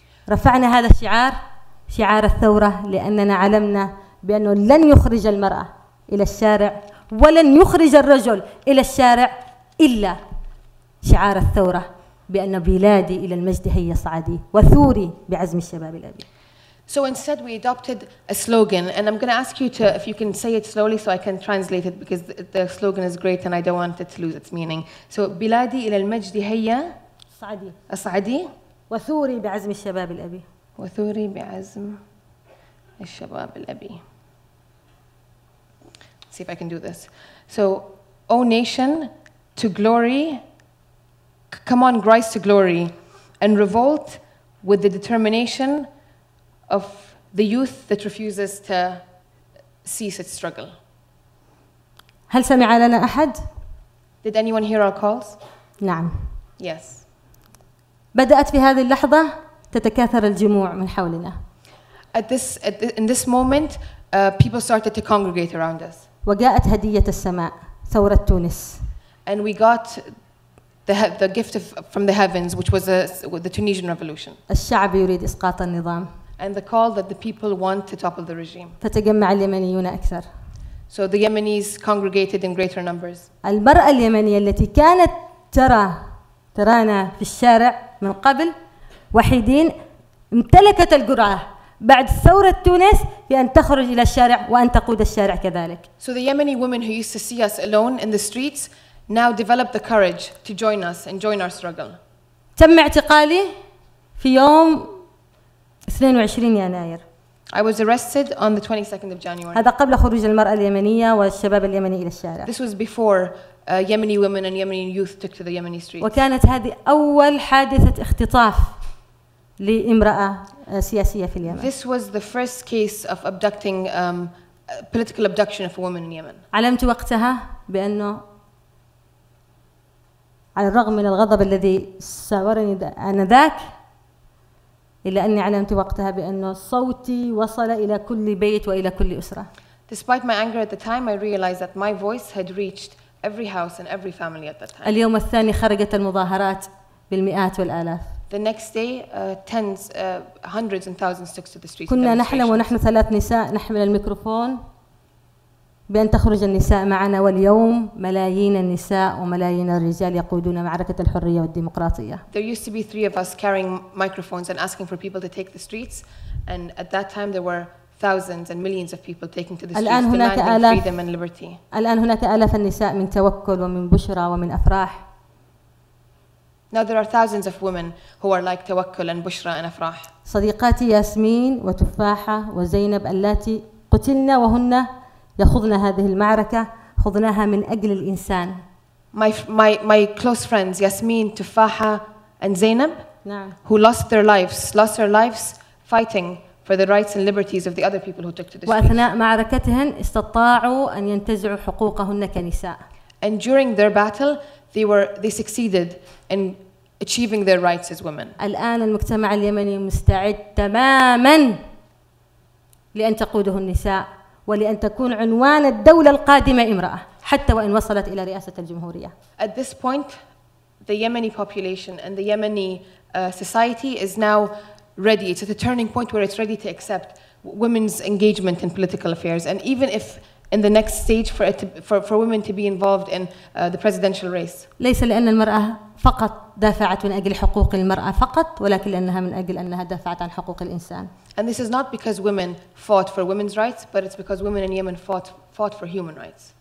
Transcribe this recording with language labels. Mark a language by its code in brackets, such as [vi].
[ar] رفعنا هذا الشعار شعار الثورة لأننا علمنا بأنه لن يخرج المرأة إلى الشارع ولن يخرج الرجل إلى الشارع إلا شعار الثورة بأن بلادي إلى المجد هي صعدي وثوري بعزم الشباب الأبي. [en] So instead we adopted a slogan, and I'm going to ask you to, if you can say it slowly so I can translate it, because the slogan is great and I don't want it to lose its meaning. [ar] So بلادي إلى المجد هي صعدي صعدي وثوري بعزم الشباب الأبي وثوري بعزم الشباب الأبي. [en] Let's see if I can do this. So, O nation, to glory, come on, rise to glory, and revolt with the determination of the youth that refuses to cease its struggle. [ar] هل سمع لنا أحد؟ [en] Did anyone hear our calls? [ar] نعم. [en] Yes. [ar] بدأت في هذه اللحظة تتكاثر الجموع من حولنا. [en] In this moment, people started to congregate around us. [ar] وجاءت هدية السماء ثورة تونس. [en] And we got the gift from the heavens, which was the Tunisian revolution. [ar] الشعب يريد إسقاط النظام. [en] And the call that the people want to topple the regime. [ar] فتجمع اليمنيون أكثر. [en] So the Yemenis congregated in greater numbers. [ar] المرأة اليمنية التي كانت ترانا في الشارع من قبل وحيدين امتلكت الجرأة بعد ثورة تونس بأن تخرج إلى الشارع وأن تقود الشارع كذلك. [en] So the Yemeni women who used to see us alone in the streets now developed the courage to join us and join our struggle. [ar] تم اعتقالي في يوم 22 يناير. [en] I was arrested on the 22nd of January. [ar] هذا قبل خروج المرأة اليمنية والشباب اليمني إلى الشارع. [en] This was before Yemeni women and Yemeni youth took to the Yemeni streets. [ar] وكانت هذه أول حادثة اختطاف لامرأة سياسية في اليمن. [en] This was the first case of abducting political abduction of a woman in Yemen. [ar] علمت وقتها بأنه على الرغم من الغضب الذي ساورني آنذاك إلا أني علمت وقتها بأنه صوتي وصل إلى كل بيت وإلى كل أسرة. [en] Despite my anger at the time, I realized that my voice had reached every house and every family at that time. [ar] اليوم الثاني خرجت المظاهرات بالمئات والآلاف. [en] The next day, hundreds and thousands took to the streets. [ar] كنا نحلم ونحن ثلاث نساء نحمل الميكروفون بأن تخرج النساء معنا، واليوم ملايين النساء وملايين الرجال يقودون معركة الحرية والديمقراطية. [en] There used to be three of us carrying microphones and asking for people to take the streets, and at that time there were thousands and millions of people taking to the streets demanding freedom and liberty. [ar] الآن هناك آلاف النساء من توكل ومن بشرى ومن أفراح. [en] Now there are thousands of women who are like Tawakkol and Bushra and Afrah. [ar] صديقاتي ياسمين وتفاحة وزينب اللاتي قتلنا وهن يخوضن هذه المعركة خوضناها من أجل الإنسان. [en] My close friends Yasmin, Tufaha, and Zainab, [ar] نعم. [en] who lost their lives fighting for the rights and liberties of the other people who took to the streets. [ar] وأثناء معركتهن استطاعوا أن ينتزعوا حقوقهن كنساء. [en] And during their battle, they succeeded in achieving their rights as women. [ar] الآن المجتمع اليمني مستعد تماماً لأن تقوده النساء ولأن تكون عنوان الدولة القادمة امرأة حتى وإن وصلت إلى رئاسة الجمهورية. [en] At this point, the Yemeni population and the Yemeni society is now ready. It's at a turning point where it's ready to accept women's engagement in political affairs. And even if in the next stage for women to be involved in the presidential race. [ar] ليس لأن المرأة فقط دافعت من أجل حقوق المرأة فقط ولكن لأنها من أجل أنها دافعت عن حقوق الإنسان. [en] And this is not because women fought for women's rights, but it's because women in Yemen fought for human rights.